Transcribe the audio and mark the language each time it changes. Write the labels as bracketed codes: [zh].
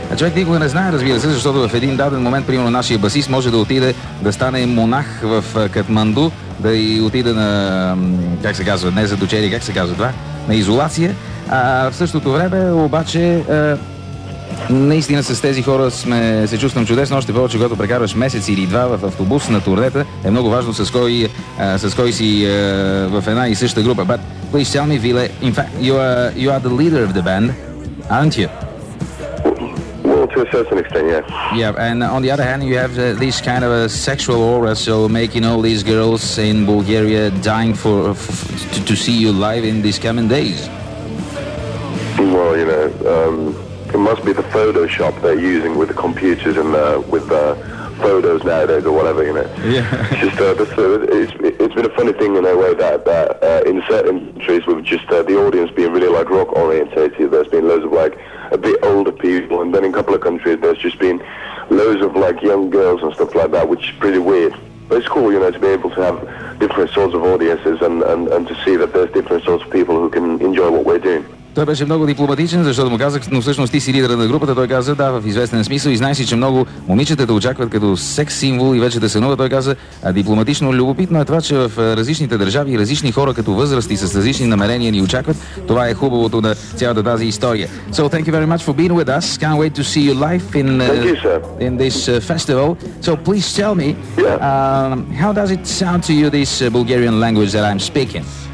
[bg] А човек никога не знае, разбира се, защото в един даден момент, примерно, нашия басист може да отиде да стане монах в Катманду, да и отиде на, как се казва, не за дочери, как се казва това, на изолация. А в същото време, обаче, наистина с тези хора се чувствам чудесно, още повече, когато прекарваш месец или два в автобус на турнета, е много важно с кой си в една и съща група. [en] But please tell me, Ville, in fact, you are the leader of the band, aren't you? Well, to a certain extent, yes. Yeah, and on the other hand, you have this kind of a sexual aura, so making all these girls in Bulgaria dying to see you live in these coming days. Well, you know, it must be the Photoshop they're using with the computers and with the photos nowadays or whatever, you know. Yeah. it's been a funny thing in a way that in certain countries with just the audience being really like rock orientated, there's been loads of like a bit older people, and then in a couple of countries there's just been loads of like young girls and stuff like that, which is pretty weird. But it's cool, you know, to be able to have different sorts of audiences and to see that there's different sorts of people who can enjoy what we're doing. [bg] Той беше много дипломатичен, защото му казах, но всъщност ти си лидера на групата. Той каза, да, в известен смисъл, и знаеш си, че много момичета те очакват като секс символ и вече те сънува. Той каза, а дипломатично любопитно е това, че в различните държави и различни хора като възрасти с различни намерения ни очакват. Това е хубавото на цялата тази история. [en] So thank you very much for being with us. Can't wait to see you live in this festival. So please tell me, how does it sound to you, this Bulgarian language that I'm speaking?